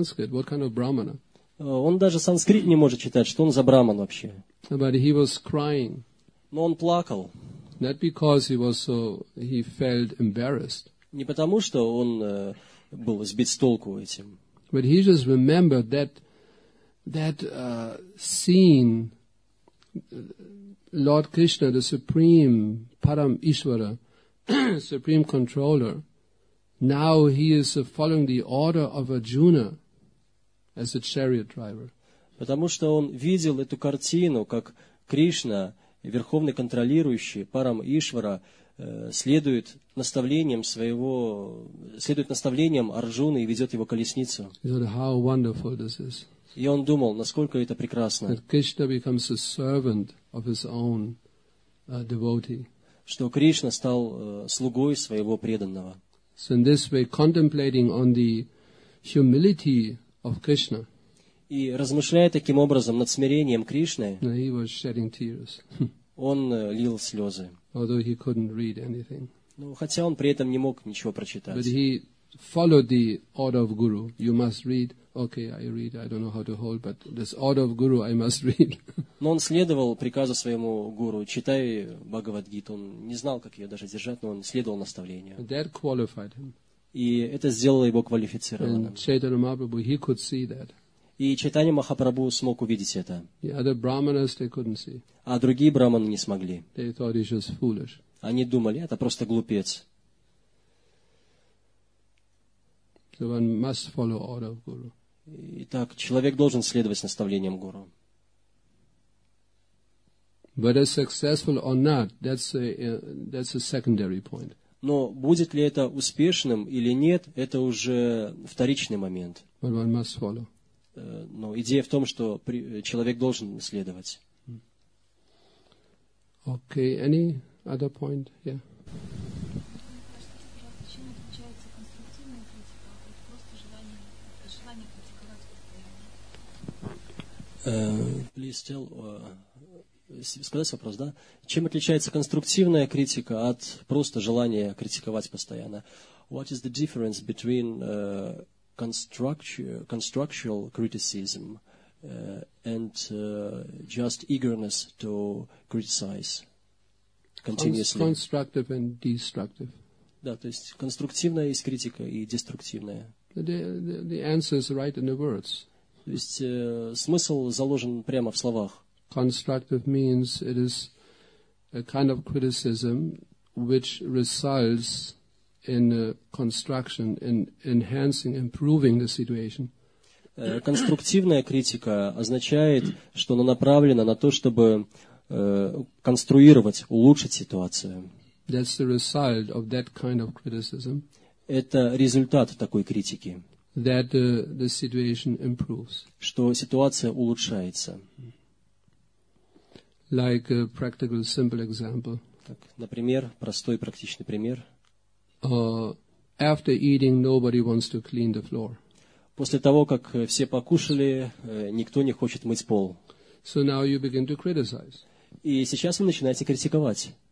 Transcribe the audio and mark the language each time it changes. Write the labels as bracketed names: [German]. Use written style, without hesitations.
[Russian] Он даже санскрит не может читать. Что он за браман вообще? [English] But he was crying. [Russian] Но он плакал. [English] Not because he was so, he felt embarrassed. [Russian] Не потому, что он был сбит с толку этим. [English] But he just remembered that scene, Lord Krishna, the Supreme Param Ishvara, Supreme Controller. Now he is following the order of Arjuna as a chariot driver. [Russian] Потому что он видел эту картину, как Кришна, верховный контролирующий Парам Ишвара, следует наставлениям Арджуны и ведет его колесницу. [English] How wonderful this is! [Russian] И он думал, насколько это прекрасно. [English] That Krishna becomes a servant of his own devotee. [Russian] Что Кришна стал слугой своего преданного. [English] So in this way, contemplating on the humility of Krishna. [Russian] И размышляя таким образом над смирением Кришны. [English] He was shedding tears. [Russian] Он лил слезы. [English] Although he couldn't read anything. [Russian] Ну, хотя он при этом не мог ничего прочитать. [English] But he followed the order of guru. You must read. Okay, I read. I don't know how to hold, but this order of guru I must read. [Russian] Но он следовал приказу своему гуру. Читай Бхагавад-гиту. Он не знал, как ее даже держать, но он следовал наставлению. [English] That qualified him. [Russian] И это сделало его квалифицированным. [English] And Chaitanya Mahaprabhu, he could see that. [Russian] И Чайтанья Махапрабху смог увидеть это. [English] The other brahmanas, they couldn't see. [Russian] А другие брахманы не смогли. [English] They thought he's just foolish. [Russian] Они думали, это просто глупец. [English] So one must follow order of guru. [Russian] Итак, человек должен следовать наставлениям гуру. [English] Whether successful or not, that's a secondary point. [Russian] Но будет ли это успешным или нет, это уже вторичный момент. [English] But one must follow. [Russian] Но идея в том, что человек должен следовать. [English] Okay, any other point? Yeah. Please tell, [Russian] сказать вопрос, да? Чем отличается конструктивная критика от просто желания критиковать постоянно? [English] What is the difference between constructual criticism and just eagerness to criticize continuously? Constructive and destructive. [Russian] Да, то есть конструктивная есть критика и деструктивная. [English] The answer is right in the words. [Russian] То есть смысл заложен прямо в словах. [English] Constructive means it is a kind of criticism which results in construction, in enhancing, improving the situation. [Russian] Конструктивная критика означает, что она направлена на то, чтобы конструировать, улучшить ситуацию. [English] That's the result of that kind of criticism. [Russian] Это результат такой критики. [English] That the situation improves. [Russian] Что ситуация улучшается. [English] Like a practical, simple example. [Russian] Так, например, простой практичный пример. [English] After eating, nobody wants to clean the floor. [Russian] После того, как все покушали, никто не хочет мыть пол. [English] So now you begin to criticize. [Russian] И сейчас вы начинаете критиковать.